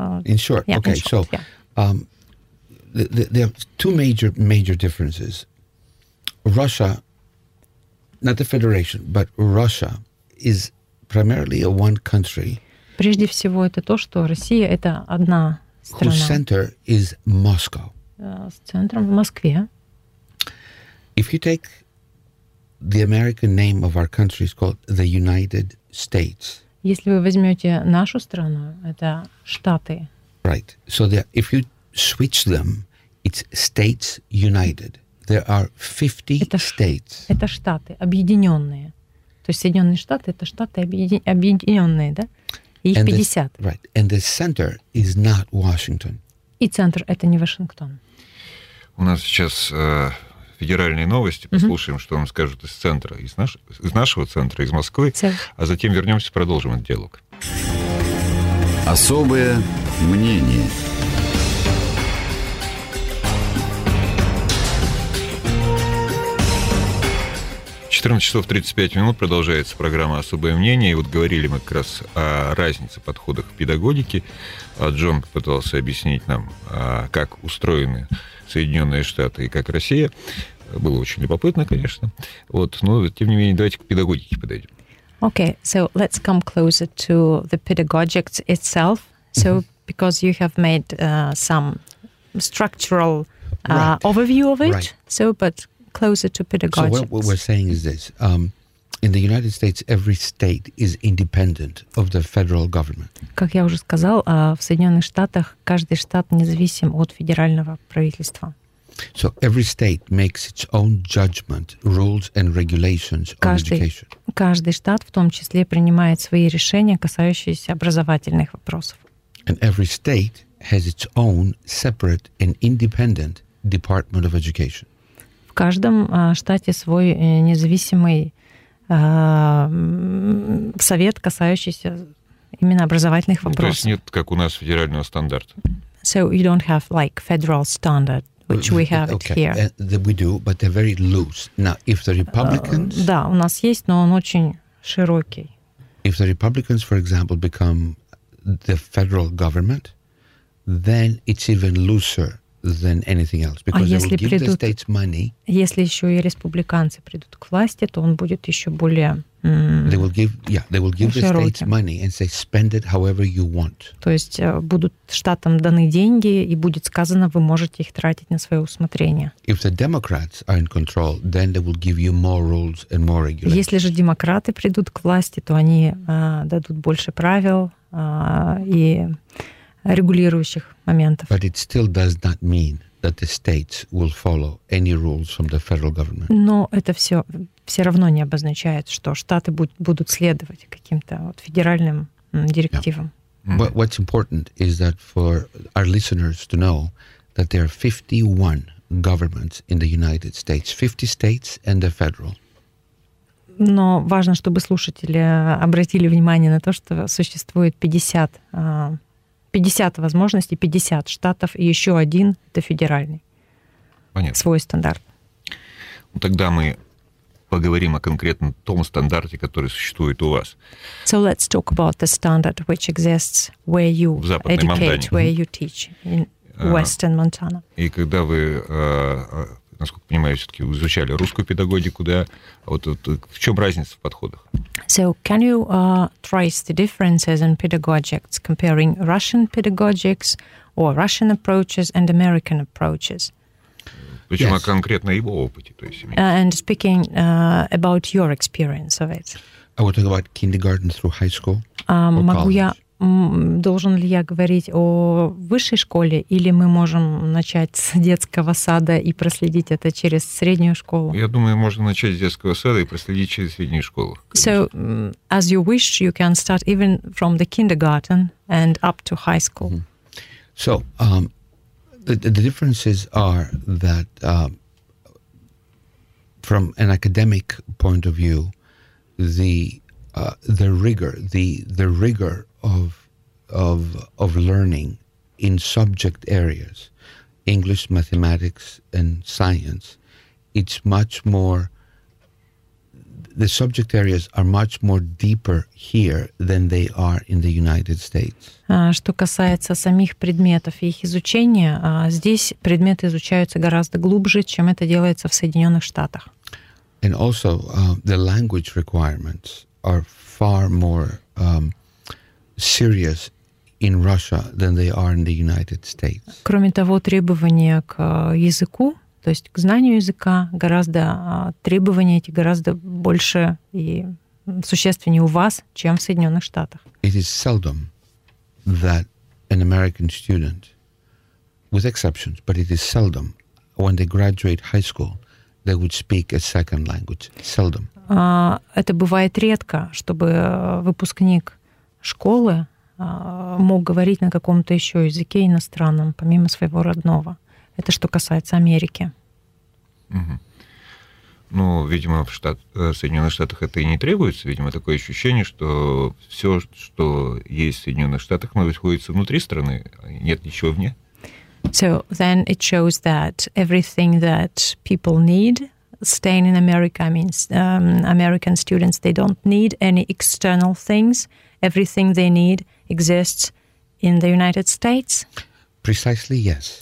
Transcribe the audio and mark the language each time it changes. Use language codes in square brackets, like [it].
[en] In short, yeah, okay, in short, so, yeah. There are two major differences. Russia, not the Federation, but Russia is primarily a one country. [ru] Прежде всего, это то, что Россия — это одна страна. [en] Whose center is Moscow. [ru] С центром в Москве. [en] If you take the American name of our country, it's called the United States. [ru] Если вы возьмете нашу страну, это Штаты. [en] Right. So if you switch them, it's States United. There are 50 [ru] это, [en] states. [ru] Это штаты, объединенные. То есть Соединенные Штаты — это штаты объединенные, да? И их [en] and 50. The, right. And the center is not Washington. [ru] И центр — это не Вашингтон. У нас сейчас федеральные новости. Послушаем, что нам скажут из центра, из нашего центра, из Москвы. А затем вернемся и продолжим этот диалог. Особое мнение. Часов 35 минут продолжается программа «Особое мнение». И вот говорили мы как раз о разнице подходах в педагогике. Джон попытался объяснить нам, как устроены Соединенные Штаты и как Россия. Было очень любопытно, конечно. Вот, но, тем не менее, давайте к педагогике подойдем. [en] Okay, so let's come closer to the pedagogic itself. So, because you have made some structural overview of it. Right. So, but... closer to pedagogics. So what we're saying is this. In the United States, every state is independent of the federal government. [ru] Как я уже сказал, в Соединенных Штатах каждый штат независим от федерального правительства. [en] So every state makes its own judgment, rules and regulations on education. [ru] Каждый штат в том числе принимает свои решения, касающиеся образовательных вопросов. [en] And every state has its own separate and independent Department of Education. [ru] В каждом штате свой независимый совет, касающийся именно образовательных вопросов. То есть нет, как у нас, федерального стандарта. [en] So you don't have like federal standard, which we have okay. here. We do, but they're very loose. Now, if the Republicans... [ru] Да, у нас есть, но он очень широкий. [en] If the Republicans, for example, become the federal government, then it's even looser than anything else. Because they will give the states money. [ru] Если еще и республиканцы придут к власти, то он будет еще более... [en] They will give, yeah, they will give [ru] широким. [en] The states money and say, spend it however you want. [ru] То есть будут штатам даны деньги, и будет сказано, вы можете их тратить на свое усмотрение. [en] If the Democrats are in control, then they will give you more rules and more regulations. [ru] Если же демократы придут к власти, то они дадут больше правил и регулирующих моментов. [en] But it still does not mean that the states will follow any rules from the federal government. [ru] Но это все равно не обозначает, что штаты будут следовать каким-то вот федеральным директивам. [en] Yeah. But what's important is that for our listeners to know that there are 51 governments in the United States, 50 states and the federal. [ru] Но важно, чтобы слушатели обратили внимание на то, что существует 50 возможностей, 50 штатов, и еще один — это федеральный. Понятно. Свой стандарт. Ну, тогда мы поговорим о конкретном том стандарте, который существует у вас. [en] So let's talk about the standard which exists where you [ru] в Западной [en] educate, [ru] Монтане. [en] Where you teach in Western Montana. [ru] И когда вы, насколько понимаю, все-таки изучали русскую педагогику, да, вот в чем разница в подходах? [en] So can you trace the differences in pedagogics comparing Russian pedagogics or Russian approaches and American approaches? [ru] Причем [en] yes. [ru] о конкретно его опыте, то есть. [en] And speaking about your experience of it. I will talk about kindergarten through high school. [ru] Должен ли я говорить о высшей школе, или мы можем начать с детского сада и проследить это через среднюю школу? Я думаю, можно начать с детского сада и проследить через среднюю школу. [en] So, as you wish, you can start even from the kindergarten and up to high school. Mm-hmm. So, the differences are that from an academic point of view, the rigor of learning in subject areas, English, mathematics, and science, it's much more, the subject areas are much more deeper here than they are in the United States. [ru] Что касается самих предметов и их изучения, здесь предметы изучаются гораздо глубже, чем это делается в Соединенных Штатах. [en] And also, the language requirements are far more serious in Russia than they are in the United States. [ru] Кроме того, требования к языку, то есть к знанию языка, гораздо требования эти гораздо больше и существеннее у вас, чем в Соединенных Штатах. [en] It is seldom that an American student, with exceptions, but it is seldom when they graduate high school, they would speak a second language. Seldom. [ru] Это бывает редко, чтобы выпускник школы мог говорить на каком-то еще языке иностранном, помимо своего родного. Это что касается Америки. Угу. Ну, видимо, в Соединенных Штатах это и не требуется. Видимо, такое ощущение, что все, что есть в Соединенных Штатах, находится внутри страны, нет ничего вне. [en] So then it shows that everything that people need staying in America, I mean, American students, they don't need any external things. Everything they need exists in the United States? Precisely, yes.